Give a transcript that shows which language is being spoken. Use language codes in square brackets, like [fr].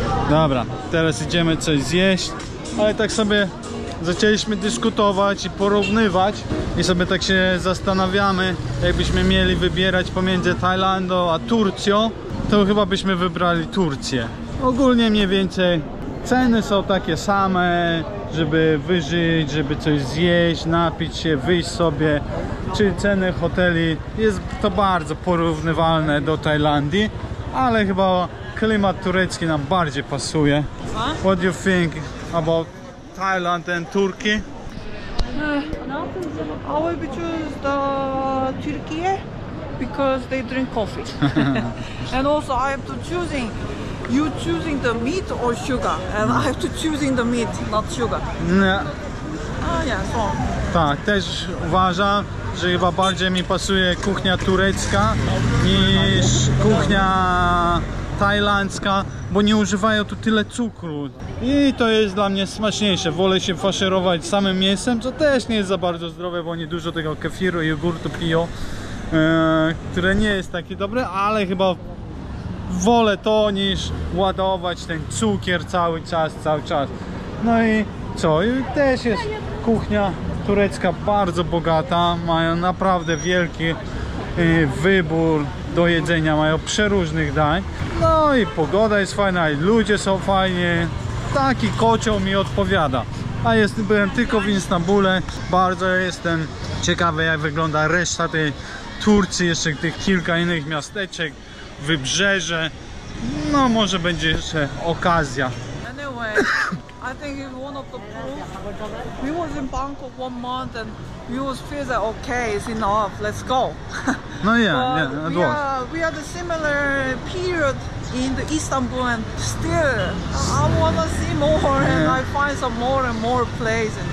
[pl] Dobra, teraz idziemy coś zjeść, ale tak sobie zaczęliśmy dyskutować i porównywać i sobie tak się zastanawiamy, jakbyśmy mieli wybierać pomiędzy Tajlandią a Turcją, to chyba byśmy wybrali Turcję, ogólnie mniej więcej. Ceny są takie same, żeby wyżyć, żeby coś zjeść, napić się, wyjść sobie. Czy ceny hoteli, jest to bardzo porównywalne do Tajlandii, ale chyba klimat turecki nam bardziej pasuje. [en] What do you think about Thailand and Turkey? I will choose the Turkey because they drink coffee. And also I have to choosing. You choosing the meat or sugar? And I have to choosing the meat, not sugar. [pl] Nie. [en] Ah, yeah, so. [pl] Tak, też uważam, że chyba bardziej mi pasuje kuchnia turecka niż kuchnia tajlandzka, bo nie używają tu tyle cukru. I to jest dla mnie smaczniejsze. Wolę się faszerować samym mięsem, co też nie jest za bardzo zdrowe, bo oni dużo tego kefiru i jogurtu piją, które nie jest takie dobre, ale chyba wolę to niż ładować ten cukier cały czas. No i co? I też jest kuchnia turecka bardzo bogata. Mają naprawdę wielki wybór do jedzenia. Mają przeróżnych dań. No i pogoda jest fajna i ludzie są fajni. Taki kocioł mi odpowiada. A byłem tylko w Istanbule. Bardzo jestem ciekawy, jak wygląda reszta tej Turcji. Jeszcze tych kilka innych miasteczek. Wybrzeże, no może będzie jeszcze okazja. [en] Anyway, I think it's one of the proof. We was in Bangkok 1 month and we was feel that okay, it's enough, let's go. No yeah, yeah, it was. We had a similar period in the Istanbul and still I wanna see more and I find some more and more places.